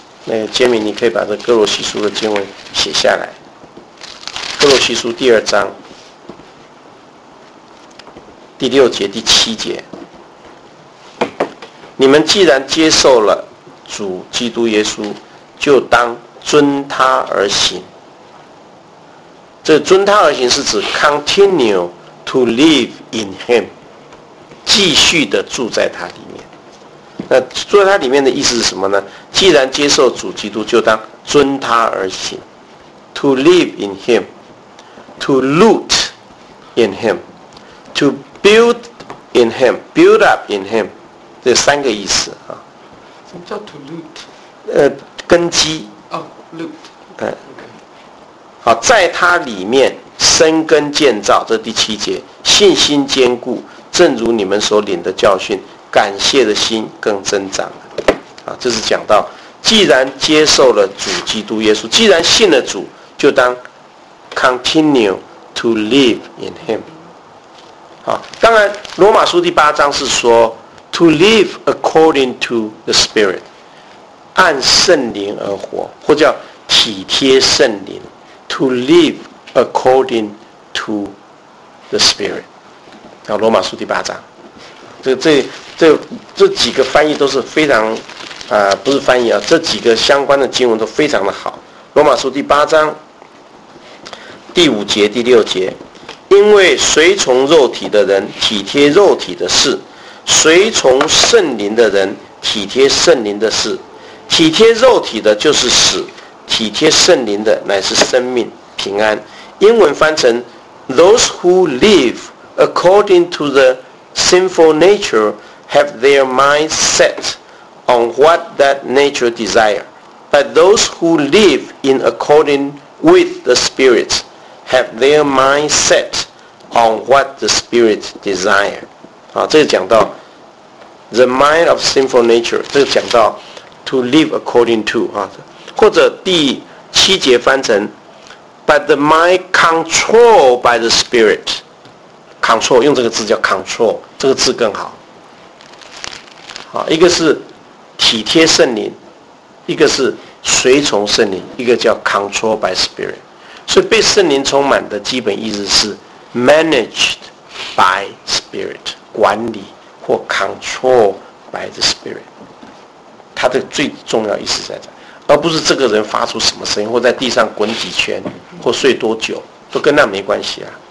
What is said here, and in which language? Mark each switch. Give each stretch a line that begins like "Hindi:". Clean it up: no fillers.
Chinese: 那个杰米，你可以把这哥罗西书的经文写下来，哥罗西书第二章第六节第七节，你们既然接受了主基督耶稣，就当遵他而行。这遵他而行是指
English: continue to live in him，
Chinese: 继续的住在他里面。那住在他里面的意思是什么呢？既然接受主基督，就当遵他而行，
English: to live in him， to root in him， to build in him， build up in him，
Chinese: 这三个意思啊。什么叫 to root？根基。
English: 哦、oh, ，root。
Chinese: 嗯。好，在他里面生根建造，这第七节，信心坚固，正如你们所领的教训，感谢的心更增长了。啊，这是讲到，既然接受了主基督耶稣，既然信了主，就当
English: continue to live in him。
Chinese: 好，当然罗马书第八章是说
English: to live according to the spirit，
Chinese: 按圣灵而活，或叫体贴圣灵，
English: to live according to the spirit。
Chinese: 好，罗马书第八章这几个翻译都是非常不是翻译啊，这几个相关的经文都非常的好。罗马书第八章第五节第六节，因为随从肉体的人体贴肉体的事，随从圣灵的人体贴圣灵的事。体贴肉体的就是死，体贴圣灵的乃是生命平安。英文翻成
English: Those who live according to the sinful nature have their minds set on what that nature desire, but those who live in according with the spirit have their minds set on what the spirit desire。
Chinese: 好，这个讲到
English: the mind of sinful nature，
Chinese: 这个讲到
English: to live according to，
Chinese: 或者第七节翻成
English: but the mind controlled by the spirit，
Chinese: control 用这个字叫 control， 这个字更好。好，一个是体贴圣灵，一个是随从圣灵，一个叫
English: control by spirit。
Chinese: 所以被圣灵充满的基本意思是
English: managed by spirit，
Chinese: 管理或
English: control by the spirit，
Chinese: 它的最重要意思在这，而不是这个人发出什么声音或在地上滚几圈或睡多久，都跟那没关系啊。